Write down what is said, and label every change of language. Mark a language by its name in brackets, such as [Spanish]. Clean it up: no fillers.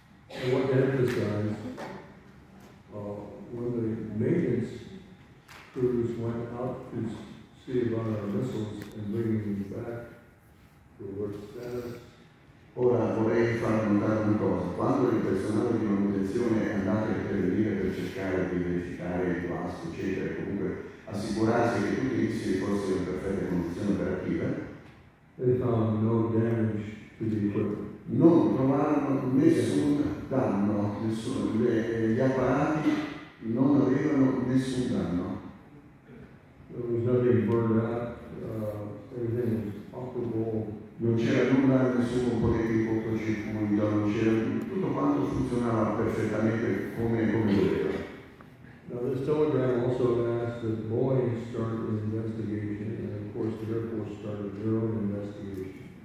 [English] I want to emphasize, when the maintenance crews went out to see about our missiles and bringing them back to work status. [Italian] Ora vorrei far notare una cosa: quando il personale di manutenzione è andato a intervenire per cercare di verificare il guasto, eccetera, comunque assicurarsi che tutti i missili fossero in perfetta condizione operativa, [English] they found no damage to the equipment. [Italian] Non trovarono nessun danno, gli apparati non avevano nessun danno. [English] There was nothing burned out, everything was operable. [Italian] Non c'era nulla, nessun potere di cortocircuito, non c'era, tutto quanto funzionava perfettamente come doveva. [English] Now this telegram also asked that Boeing start an investigation, and of course the Air Force started their own investigation.